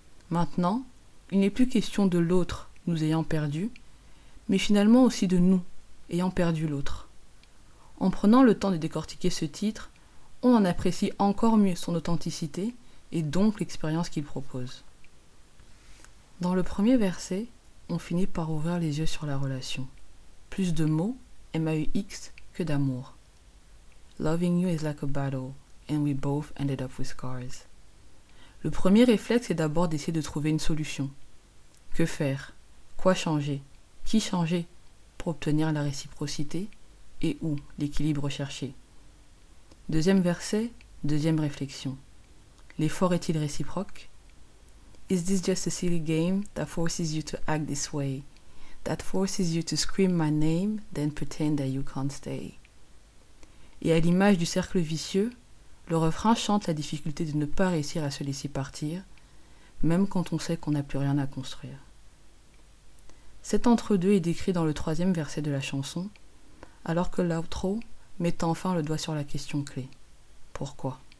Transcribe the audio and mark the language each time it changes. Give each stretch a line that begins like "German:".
French: Maintenant, il n'est plus question de l'autre nous ayant perdus, mais finalement aussi de nous ayant perdu l'autre. En prenant le temps de décortiquer ce titre, on en apprécie encore mieux son authenticité et donc l'expérience qu'il propose. Dans le premier verset, on finit par ouvrir les yeux sur la relation. Plus de mots, M-A-U-X, que d'amour.
English: Loving you is like a battle, and we both ended up with scars.
French: Le premier réflexe est d'abord d'essayer de trouver une solution. Que faire? Quoi changer? Qui changer? Pour obtenir la réciprocité? Et où l'équilibre recherché? Deuxième verset, deuxième réflexion. L'effort est-il réciproque?
English: Is this just a silly game that forces you to act this way? That forces you to scream my name, then pretend that you can't stay?
French: Et à l'image du cercle vicieux, le refrain chante la difficulté de ne pas réussir à se laisser partir, même quand on sait qu'on n'a plus rien à construire. Cet entre-deux est décrit dans le 3e verset de la chanson, alors que l'outro mettant enfin le doigt sur la question clé. pourquoi.